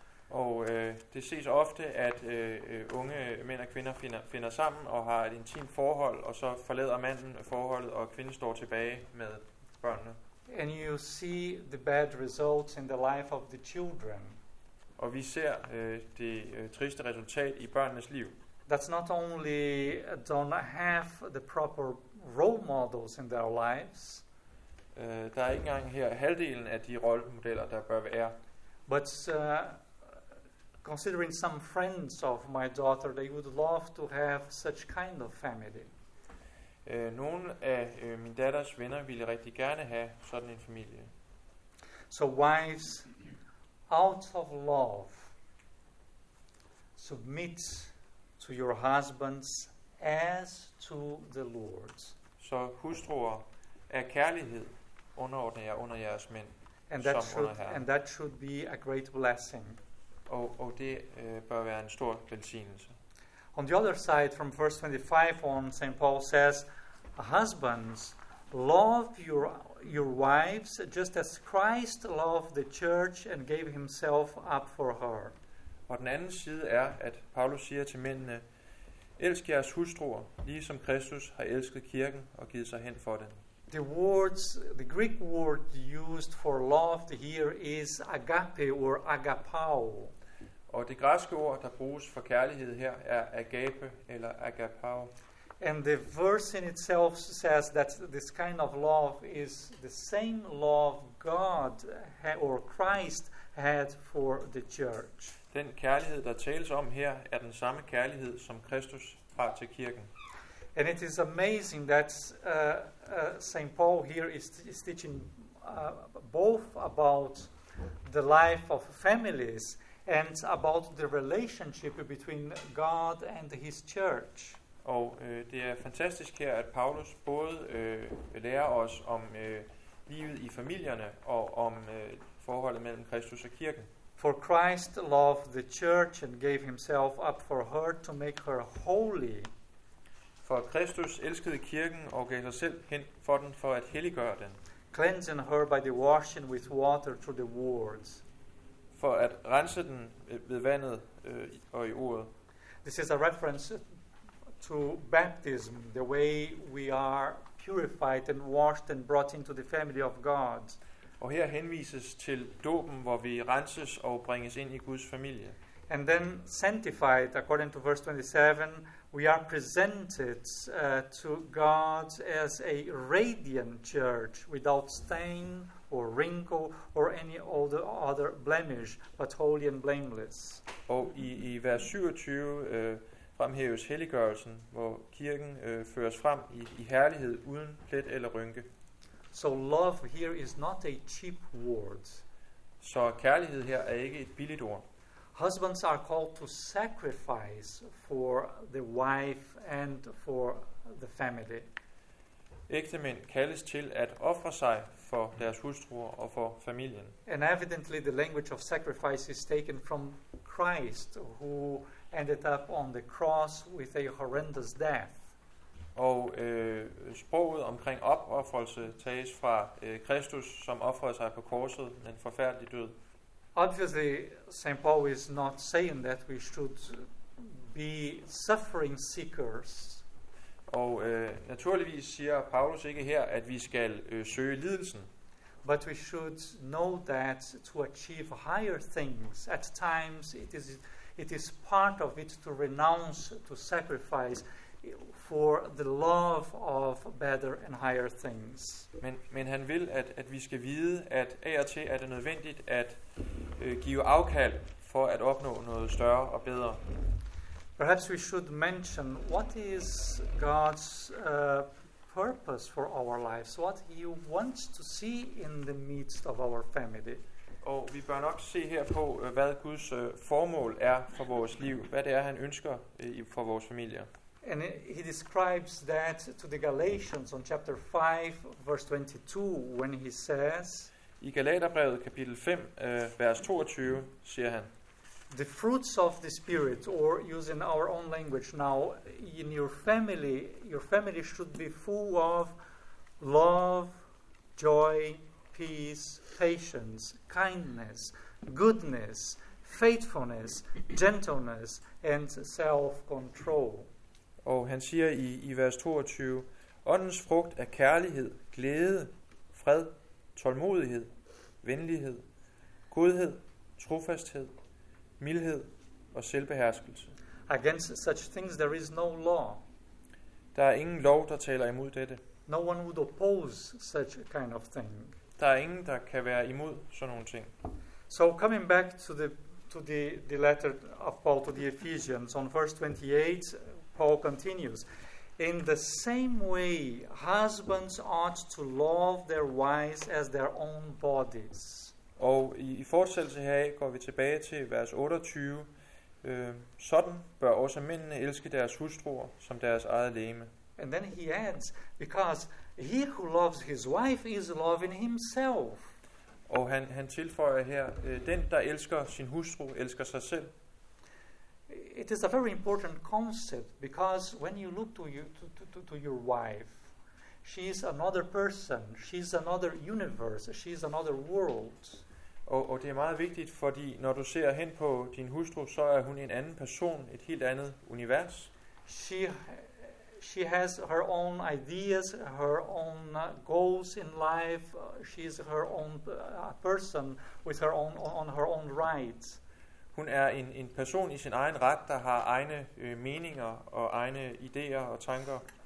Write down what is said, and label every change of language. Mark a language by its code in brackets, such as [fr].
[da] Og det ses ofte, at unge mænd og kvinder finder sammen og har et intimt forhold, og så forlader manden forholdet, og kvinden står tilbage med børnene. [en] And you see the bad results in the life of the children. [da] Og vi ser det triste resultat i børnenes liv. [en] That's not only don't have the proper role models in their lives. [da] Der er ikke engang her halvdelen af de rollemodeller, der bør være. [en] But considering some friends of my daughter, they would love to have such kind of family. [da] Nogle af min datters venner ville rigtig gerne have sådan en familie. [en] So wives, out of love, submit to your husbands as to the Lord. [da] Så hustruer af kærlighed underordner jer under jeres mænd som under Herren. [en] And that should be a great blessing. [da] Og det bør være en stor velsignelse. [en] On the other side, from verse 25 on, St. Paul says, husbands, love your wives just as Christ loved the church and gave himself up for her. [da] Og den anden side er, at Paulus siger til mændene, Elsk jeres hustruer, lige som Kristus har elsket kirken og givet sig hen for den. [en] The words, the Greek word used for love here is agape or agapao. [da] Og det græske ord, der bruges for kærlighed her, er agape eller agapao. [en] And the verse in itself says that this kind of love is the same love God or Christ had for the church. [da] Den kærlighed, der tales om her, er den samme kærlighed, som Kristus har til kirken. [en] And it is amazing that St. Paul here is teaching both about the life of families and about the relationship between God and his church. [da] Og det er fantastisk her, at Paulus både lærer os om livet i familierne og om forholdet mellem Kristus og kirken. [en] For Christ loved the church and gave himself up for her to make her holy. [da] For Kristus elskede kirken og gav sig selv hen for den for at helliggøre den. [en] Cleansing her by the washing with water through the words. [da] For at rense den ved vandet og i ordet. [en] This is a reference to baptism, the way we are purified and washed and brought into the family of God. [da] Og her henvises til dåben, hvor vi renses og bringes ind i Guds familie. [en] And then sanctified, according to verse 27, we are presented to God as a radiant church, without stain or wrinkle or any other blemish, but holy and blameless. [da] Og i vers 27 fremhæves helliggørelsen, hvor kirken føres frem i herlighed uden plet eller rynke. [en] So love here is not a cheap word. [da] Så kærlighed her er ikke et billigt ord. [en] Husbands are called to sacrifice for the wife and for the family. [da] Ægtemænd kaldes til at ofre sig for deres hustruer og for familien. [en] And evidently the language of sacrifice is taken from Christ, who ended up on the cross with a horrendous death. [da] Og sproget omkring opoffrelse tages fra Kristus, som ofrede sig på korset med en forfærdelig død. [en] Obviously, St. Paul is not saying that we should be suffering seekers. [da] Og naturligvis siger Paulus ikke her, at vi skal søge lidelsen. [en] But we should know that to achieve higher things, at times it is part of it to renounce, to sacrifice for the love of better and higher things. [da] Men han vil, at vi skal vide, at af og til er det nødvendigt at give afkald for at opnå noget større og bedre. [en] Perhaps we should mention, what is God's purpose for our lives? What he wants to see in the midst of our family? [da] Og vi bør nok se her på, hvad Guds formål er for vores liv. Hvad det er, han ønsker for vores familie. [en] And he describes that to the Galatians on chapter 5, verse 22, when he says, [da] i Galaterbrevet kapitel 5, vers 22, siger han, [en] the fruits of the Spirit, or using our own language now, in your family should be full of love, joy, peace, patience, kindness, goodness, faithfulness, gentleness, and self-control. [da] Og han siger i vers 22, åndens frugt er kærlighed, glæde, fred, tålmodighed, venlighed, godhed, trofasthed, mildhed og selvbeherskelse. [en] Against such things there is no law. [da] Der er ingen lov, der taler imod dette. [en] No one would oppose such kind of thing. [da] Der er ingen, der kan være imod sådan nogle ting. [en] So coming back to the letter of Paul to the Ephesians on verse 28, Paul continues, in the same way, husbands ought to love their wives as their own bodies. [da] Og i fortsættelse her går vi tilbage til vers 28. Sådan bør også mændene elske deres hustruer som deres eget legeme. [en] And then he adds, because he who loves his wife is loving himself. [da] Og han tilføjer her, den der elsker sin hustru, elsker sig selv. [en] It is a very important concept, because when you look to your wife, she is another person, she is another universe, she is another world. [da] Og det er meget vigtigt, fordi når du ser hen på din hustru, så er hun en anden person, et helt andet univers. [en] She has her own ideas, her own goals in life. She is her own person with her own on her own rights. [da] Hun er en person i sin egen ret, der har egne meninger og egne ideer og tanker.